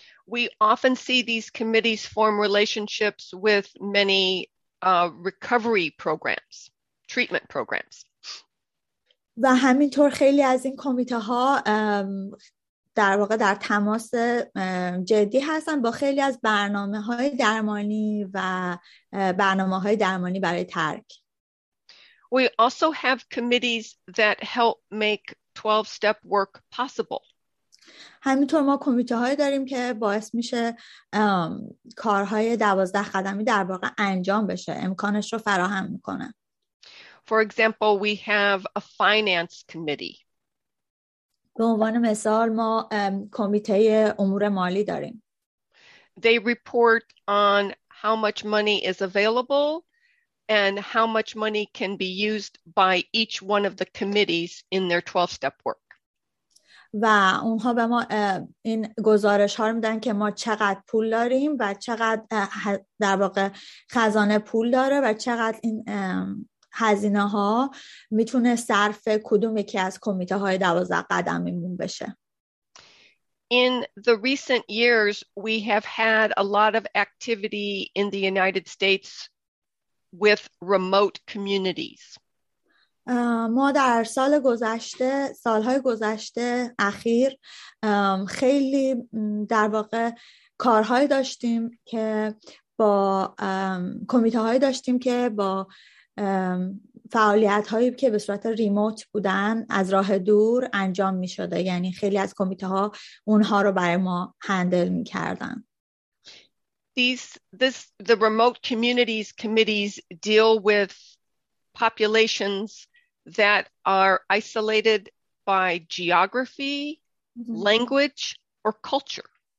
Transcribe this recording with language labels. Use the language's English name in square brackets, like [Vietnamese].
[English] We often see these committees form relationships with many recovery programs, treatment programs. [Persian] و همینطور خیلی از این کمیته ها در واقع در تماس جدی هستن با خیلی از برنامه های درمانی و برنامه های درمانی برای ترک. [English] We also have committees that help make 12-step work possible. [Persian] همینطور ما کمیته هایی داریم که باعث میشه کارهای 12 قدمی در واقع انجام بشه، امکانش رو فراهم میکنه. [English] For example, we have a finance committee. [Persian] به عنوان مثال ما کمیته امور مالی داریم. [English] They report on how much money is available and how much money can be used by each one of the committees in their 12-step work. [Persian] و اونها به ما این گزارش ها رو میدن که ما چقدر پول داریم و چقدر در واقع خزانه پول داره و چقدر این هزینه ها میتونه صرف کدوم یکی از کمیته های 12 قدمیمون بشه. [English] In the recent years we have had a lot of activity in the United States with remote communities. [Persian] ما در سالهای گذشته اخیر خیلی در واقع کارهایی داشتیم که با کمیته هایی داشتیم که با فعالیت هایی که به صورت ریموت بودن از راه دور انجام می شده، یعنی خیلی از کمیته ها اونها رو برای ما هندل می کردن. [English] The remote communities committees deal with populations that are isolated by geography, language, or culture.